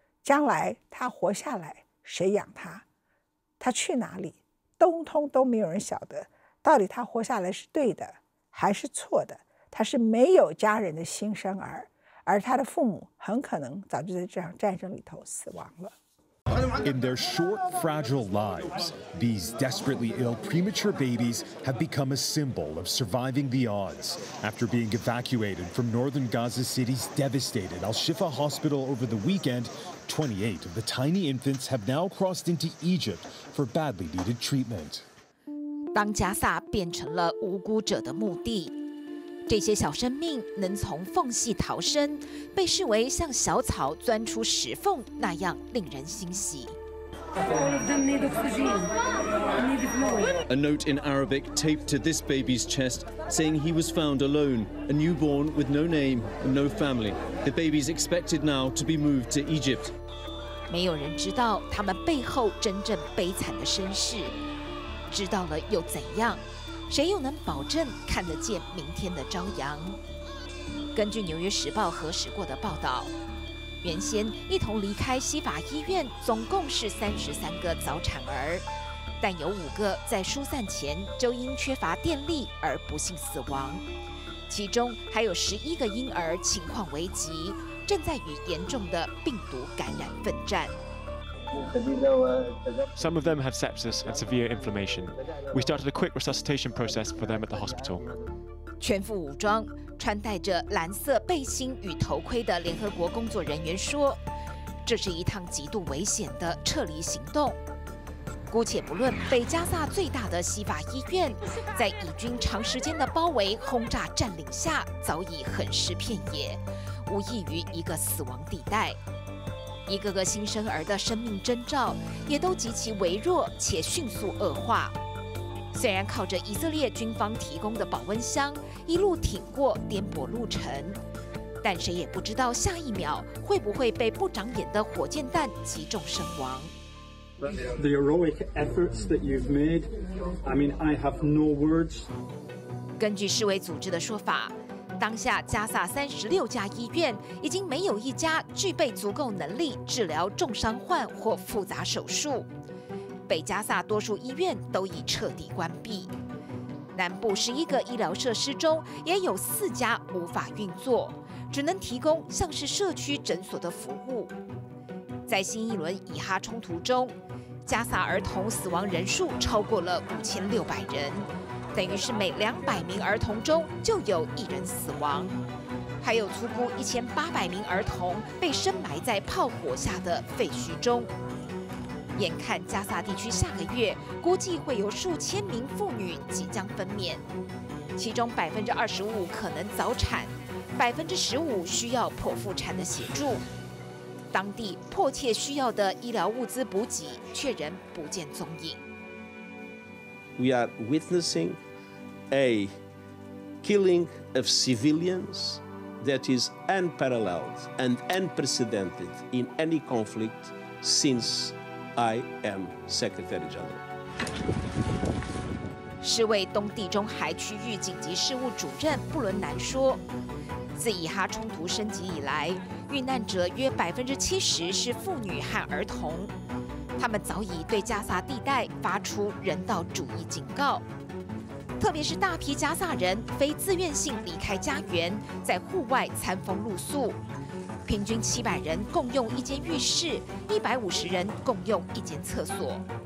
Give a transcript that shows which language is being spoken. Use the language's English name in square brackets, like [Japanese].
[Chinese] 将来他活下来，谁养他？他去哪里？通通都没有人晓得。到底他活下来是对的还是错的？他是没有家人的新生儿，而他的父母很可能早就在这场战争里头死亡了。 [English] In their short, fragile lives, these desperately ill premature babies have become a symbol of surviving the odds. After being evacuated from northern Gaza City's devastated Al-Shifa Hospital over the weekend, 28 of the tiny infants have now crossed into Egypt for badly needed treatment. [Chinese] 当加萨变成了无辜者的墓地，这些小生命能从缝隙逃生，被视为像小草钻出石缝那样令人欣喜。 [English] A note in Arabic taped to this baby's chest saying he was found alone, a newborn with no name and no family. The baby's expected now to be moved to Egypt. [Chinese] 没有人知道他们背后真正悲惨的身世，知道了又怎样？谁又能保证看得见明天的朝阳？根据《纽约时报》核实过的报道，原先一同离开西法医院总共是33个早产儿，但有5个在疏散前就因缺乏电力而不幸死亡，其中还有11个婴儿情况危急，正在与严重的病毒感染奋战。 [English] Some of them have sepsis and severe inflammation. We started a quick resuscitation process for them at the hospital. [Chinese] 全副武装，穿戴着蓝色背心与头盔的联合国工作人员说，这是一趟极度危险的撤离行动。姑且不论北加萨最大的西法医院，在以军长时间的包围、轰炸、占领下，早已横尸遍野，无异于一个死亡地带。一个个新生儿的生命征兆也都极其微弱且迅速恶化，虽然靠着以色列军方提供的保温箱一路挺过颠簸路程，但谁也不知道下一秒会不会被不长眼的火箭弹击中身亡。 [English] The heroic efforts that you've made, I mean, I have no words. [Chinese] 根据世卫组织的说法，当下加萨36家医院已经没有一家具备足够能力治疗重伤患或复杂手术，北加萨多数医院都已彻底关闭，南部11个医疗设施中也有4家无法运作，只能提供像是社区诊所的服务。在新一轮以哈冲突中，加萨儿童死亡人数超过了5600人，等于是每200名儿童中就有一人死亡，还有粗估1800名儿童被深埋在炮火下的废墟中。眼看加萨地区下个月估计会有数千名妇女即将分娩，其中25%可能早产，15%需要剖腹产的协助，当地迫切需要的医疗物资补给却仍不见踪影。 [English] We are witnessing a killing of civilians that is unparalleled and unprecedented in any conflict since I am Secretary General. [Chinese] 世卫东地中海区域紧急事务主任布伦南说，自以哈冲突升级以来，遇难者约70%是妇女和儿童。他们早已对加萨地带发出人道主义警告，特别是大批加萨人非自愿性离开家园，在户外餐风露宿，平均700人共用一间浴室，150人共用一间厕所。